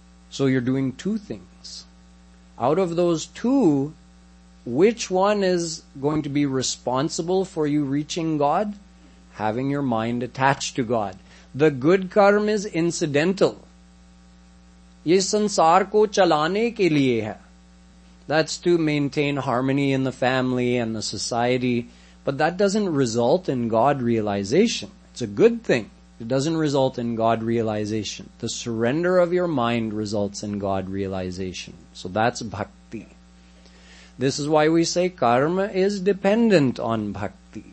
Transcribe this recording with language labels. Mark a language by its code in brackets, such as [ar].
[en] So you're doing two things. Out of those two, which one is going to be responsible for you reaching God? Having your mind attached to God. The good karma is incidental. [hi] ये संसार को चलाने के लिए है। [en] That's to maintain harmony in the family and the society. But that doesn't result in God realization. It's a good thing. It doesn't result in God realization. The surrender of your mind results in God realization. So that's bhakti. This is why we say karma is dependent on bhakti.